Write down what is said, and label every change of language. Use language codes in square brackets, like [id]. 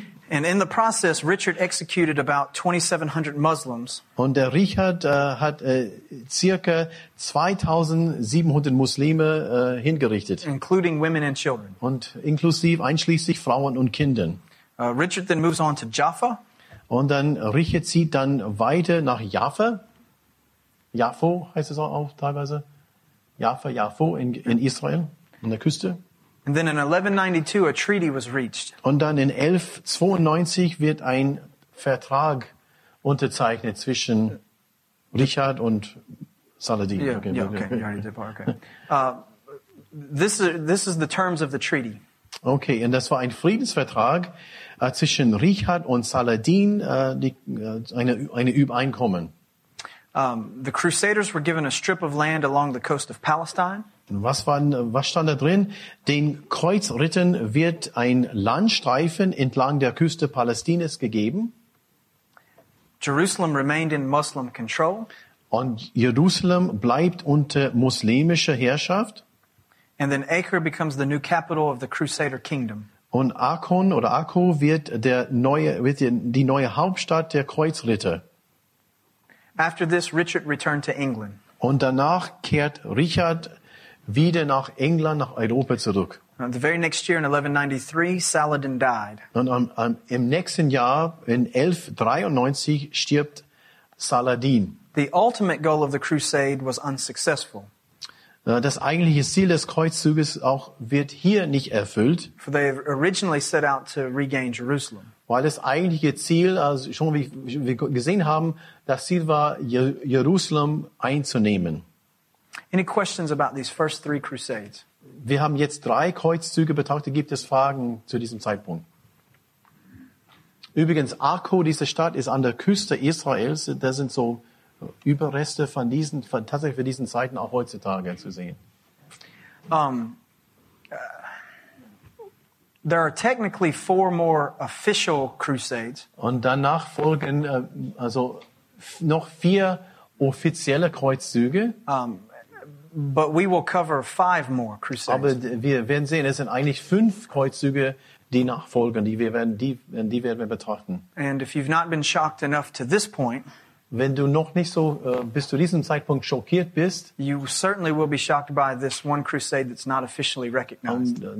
[en] And in the process Richard executed about 2700 Muslims. [de] Und der Richard hat circa 2700 Muslime hingerichtet. [en] Including women and children. [de] Und einschließlich Frauen und Kindern. [en] Richard then moves on to Jaffa. [de] Und dann Richard zieht dann weiter nach Jaffa. Jaffo heißt es auch teilweise. Jaffo in Israel an der Küste. [en] And then in 1192 a treaty was reached. [de] Und dann in 1192 wird ein Vertrag unterzeichnet zwischen Richard und Saladin. [en] Yeah, okay. Yeah, okay. You already did part, okay. This is the terms of the treaty. [de] Okay, und das war ein Friedensvertrag zwischen Richard und Saladin, eine Übereinkommen. [en] The crusaders were given a strip of land along the coast of Palestine. [de] Was stand da drin? Den Kreuzrittern wird ein Landstreifen entlang der Küste Palästinas gegeben. [en] Jerusalem remained in Muslim control. [de] Und Jerusalem bleibt unter muslimischer Herrschaft. [en] And then Acre becomes the new capital of the Crusader Kingdom. [de] Und Akon oder Akko wird die neue Hauptstadt der Kreuzritter. [en] After this, Richard returned to England. [de] Und danach kehrt Richard wieder nach England, nach Europa zurück. [en] The very next year, in 1193, Saladin died. [de] Und im nächsten Jahr, in 1193, stirbt Saladin. [en] The ultimate goal of the crusade was unsuccessful. [de] Das eigentliche Ziel des Kreuzzuges auch wird hier nicht erfüllt. [en] For they originally set out to regain Jerusalem. [de] Weil das eigentliche Ziel, also schon wie wir gesehen haben, das Ziel war, Jerusalem einzunehmen. [en] Any questions about these first three crusades? [de] Wir haben jetzt drei Kreuzzüge betrachtet. Gibt es Fragen zu diesem Zeitpunkt? Übrigens, Akko, diese Stadt, ist an der Küste Israels. Da sind so Überreste von diesen, tatsächlich für diesen Zeiten auch heutzutage zu sehen. [en] There are technically four more official crusades. [de] Und danach folgen also noch vier offizielle Kreuzzüge. [en] But we will cover five more crusades. [de] Aber wir werden sehen, es sind eigentlich fünf Kreuzzüge, die nachfolgen, die werden wir betrachten. [en] And if you've not been shocked enough to this point, [de] wenn du noch nicht so bis zu diesem Zeitpunkt schockiert bist, [en] you certainly will be shocked by this one crusade that's not officially recognized.